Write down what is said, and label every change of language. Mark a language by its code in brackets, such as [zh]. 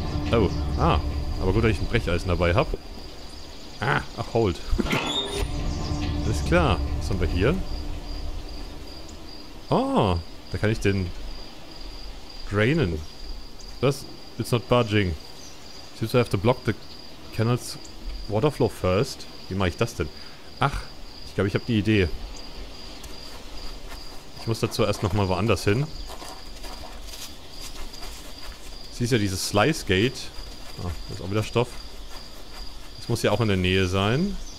[de] Oh, ah, aber gut, dass ich ein Brecheisen dabei habe. Ah, ach, hold. Alles klar. Was haben wir hier? Oh, da kann ich den drainen. Das ist [en] not budging. Seems I have to block the canal's waterflow first. [de] Wie mache ich das denn? Ach, ich glaube, ich habe die Idee. Ich muss dazu erst nochmal woanders hin. Sie ist ja dieses Slice Gate. Ah, das ist auch wieder Stoff. Das muss ja auch in der Nähe sein.